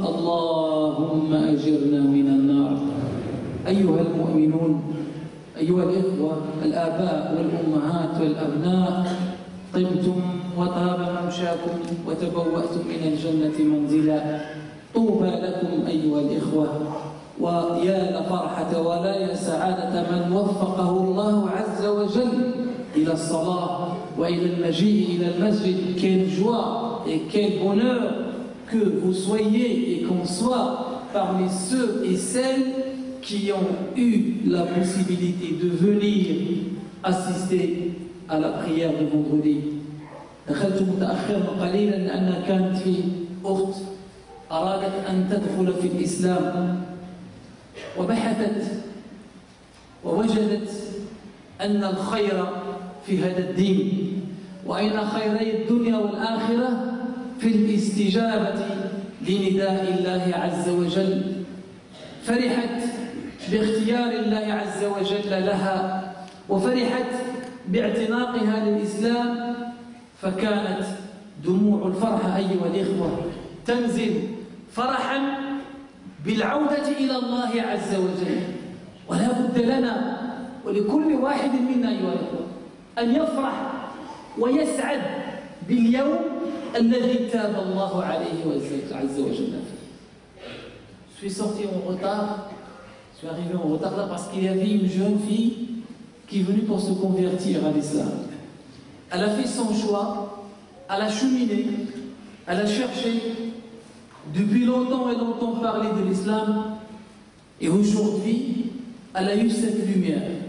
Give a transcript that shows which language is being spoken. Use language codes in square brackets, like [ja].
[ar] اللهم أجرنا من النار. أيها المؤمنون، أيها الإخوة، الآباء والأمهات والأبناء، طبتم وطاب ممشاكم وتبوأتم من الجنة منزلا، طوبى لكم أيها الإخوة. ويا لفرحة ولا يا سعادة من وفقه الله عز وجل إلى الصلاة وإلى المجيء إلى المسجد. [fr] Quelle joie et quel bonheur que vous soyez et qu'on soit parmi ceux et celles qui ont eu la possibilité de venir assister à la prière de vendredi. [ar] دخلت متأخرا قليلا لأن كانت في أخت أرادت أن تدخل في الإسلام، وبحثت ووجدت أن الخير في هذا الدين، وأين خيري الدنيا والآخرة؟ في الاستجابة لنداء الله عز وجل. فرحت باختيار الله عز وجل لها، وفرحت باعتناقها للإسلام، فكانت دموع الفرحة أيها الإخوة تنزل فرحا بالعودة إلى الله عز وجل. ولا بد لنا ولكل واحد منا أيها الإخوة أن يفرح ويسعد باليوم الذي تاب الله عليه عز وجل. [fr] Suis sorti en retard, suis arrivé en retard là parce qu'il y avait une jeune fille qui est venue pour se convertir à l'islam. Elle a fait son choix, elle a cheminé, elle a cherché depuis longtemps et longtemps parler de l'islam, et aujourd'hui elle a eu cette lumière.